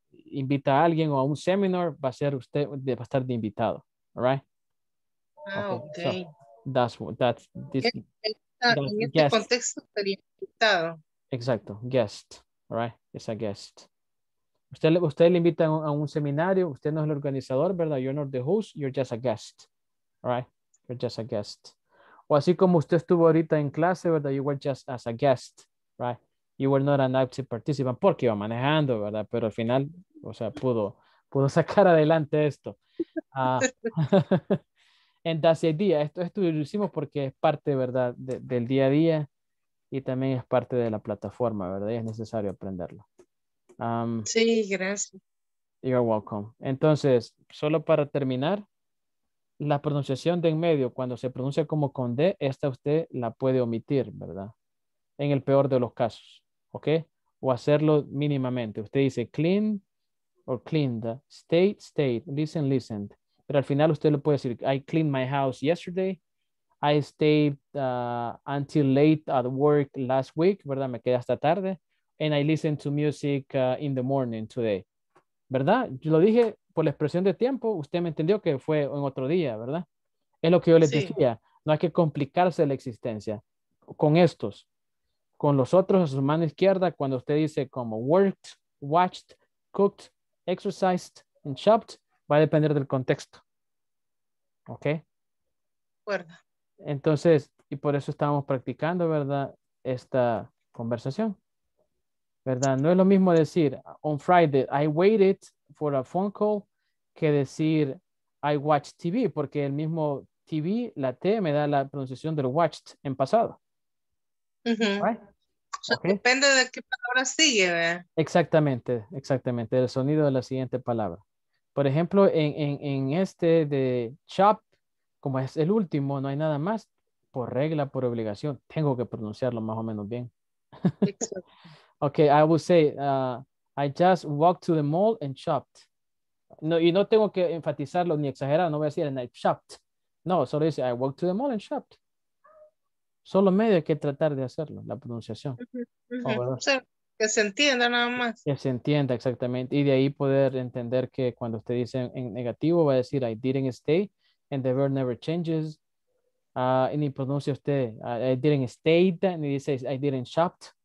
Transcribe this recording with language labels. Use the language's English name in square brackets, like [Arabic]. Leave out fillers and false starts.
[Spanish] Invita a alguien o a un seminar, va a ser usted, va a estar de invitado, [English] right? Okay. So that's this. [Spanish] En este guest. Contexto sería invitado. Exacto, [English] guest, right? It's a guest. [Spanish] Usted le invita a un seminario, usted no es el organizador, ¿verdad? [English] You're not the host, you're just a guest, right? You're just a guest. [Spanish] O así como usted estuvo ahorita en clase, ¿verdad? [English] You were just as a guest, right? You were not an active participant [Spanish] porque iba manejando, ¿verdad? Pero al final, o sea, pudo sacar adelante esto. [English] And that's the idea. [Spanish] Esto lo hicimos porque es parte, ¿verdad? Del día a día y también es parte de la plataforma, ¿verdad? Y es necesario aprenderlo. Sí, gracias. [English] You're welcome. [Spanish] Entonces, solo para terminar, la pronunciación de en medio, cuando se pronuncia como con D, esta usted la puede omitir, ¿verdad? En el peor de los casos. ¿Ok? O hacerlo mínimamente. Usted dice [English] clean or cleaned. Stayed, stayed. Listen, listened. [Spanish] Pero al final usted lo puede decir. [English] I cleaned my house yesterday. I stayed until late at work last week, [Spanish] ¿verdad? Me quedé hasta tarde. [English] And I listened to music in the morning today. [Spanish] ¿Verdad? Yo lo dije por la expresión de tiempo. Usted me entendió que fue en otro día, ¿verdad? Es lo que yo les sí. decía. No hay que complicarse la existencia con estos. Con los otros, a su mano izquierda, cuando usted dice como worked, watched, cooked, exercised, and shopped, va a depender del contexto. ¿Ok? Acuerdo. Entonces, y por eso estábamos practicando, ¿verdad? Esta conversación. ¿Verdad? No es lo mismo decir, [English] on Friday, I waited for a phone call, [Spanish] que decir, [English] I watched TV, [Spanish] porque el mismo TV, la T, me da la pronunciación del watched en pasado. Uh-huh. [English] Right? So, okay. [Spanish] Depende de qué palabra sigue. ¿Verdad? Exactamente, exactamente, el sonido de la siguiente palabra. Por ejemplo, en este de shop, como es el último, no hay nada más, por regla, por obligación, tengo que pronunciarlo más o menos bien. [English] Okay, I would say, I just walked to the mall and shopped. [Spanish] No, y no tengo que enfatizarlo ni exagerar, no voy a decir, [English] and I shopped. [Spanish] No, solo dice, [English] I walked to the mall and shopped. [Spanish] Solo medio hay que tratar de hacerlo, la pronunciación. Uh-huh. Oh, o sea, que se entienda nada más. Que se entienda, exactamente. Y de ahí poder entender que cuando usted dice en negativo, va a decir, [English] I didn't stay, and the verb never changes. [Spanish] Y ni pronuncia usted, [English] I didn't stay, [Spanish] ni dice, [English] I didn't shopped.